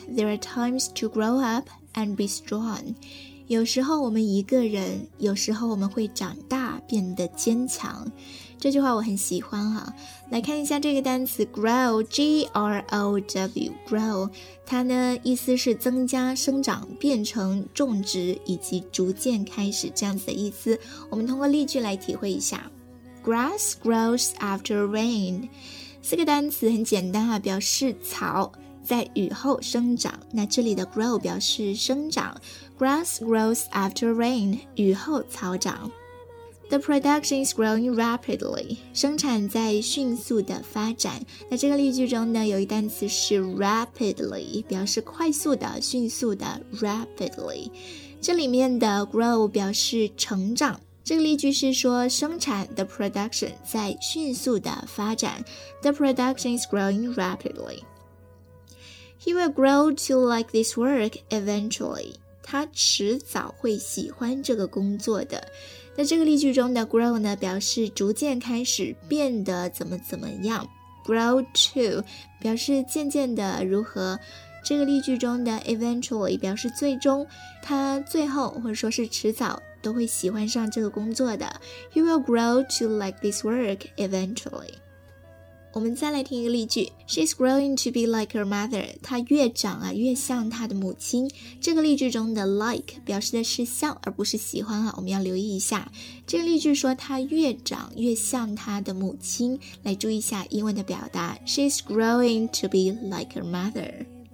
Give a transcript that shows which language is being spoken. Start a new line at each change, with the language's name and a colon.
English: There are times to grow up and be strong.
Chinese: 有时候我们一个人，有时候我们会长大，变得坚强。这句话我很喜欢哈。来看一下这个单词 grow, G-R-O-W, grow. 它呢，意思是增加、生长、变成、种植以及逐渐开始这样子的意思。我们通过例句来体会一下。
English: Grass grows after rain.
Chinese: 四个单词很简单啊，表示草在雨后生长。那这里的 grow 表示生长， grass grows after rain， 雨后草长。
English: The production is growing rapidly，
Chinese: 生产在迅速的发展。那这个例句中呢有一单词是 rapidly， 表示快速的、迅速的， rapidly。这里面的 grow 表示成长，这个例句是说生产 the production 在迅速的发展，
English: the production is growing rapidly. He will grow to like this work eventually.
Chinese: 他迟早会喜欢这个工作的。那这个例句中的 grow 呢表示逐渐开始变得怎么怎么样， grow to 表示渐渐的如何。这个例句中的 eventually 表示最终，他最后或者说是迟早都会喜欢上这个工作的。
English: He will grow to like this work eventually.
Chinese: 我们再来听一个例句，
English: She's growing to be like her mother.
Chinese: 她越长啊越像她的母亲。这个例句中的 like 表示的是像而不是喜欢啊，我们要留意一下。这个例句说她越长越像她的母亲，来注意一下英文的表达，
English: She's growing to be like her mother.